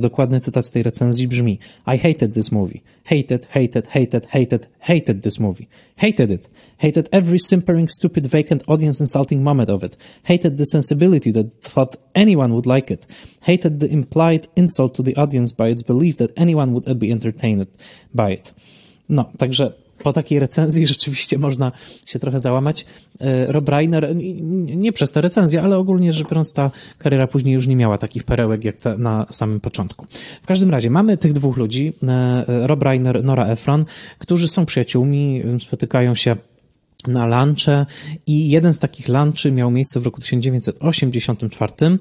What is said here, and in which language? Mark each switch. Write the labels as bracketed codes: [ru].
[pl] Dokładny cytat z tej recenzji brzmi: [en] I hated this movie. Hated, hated, hated, hated, hated this movie. Hated it. Hated every simpering, stupid, vacant, audience-insulting moment of it. Hated the sensibility that thought anyone would like it. Hated the implied insult to the audience by its belief that anyone would be entertained by it. [pl] No, także po takiej recenzji rzeczywiście można się trochę załamać. Rob Reiner, nie przez tę recenzję, ale ogólnie rzecz biorąc, ta kariera później już nie miała takich perełek jak ta na samym początku. W każdym razie mamy tych dwóch ludzi, Rob Reiner, Nora Ephron, którzy są przyjaciółmi, spotykają się na lunche i jeden z takich lunchy miał miejsce w roku 1984.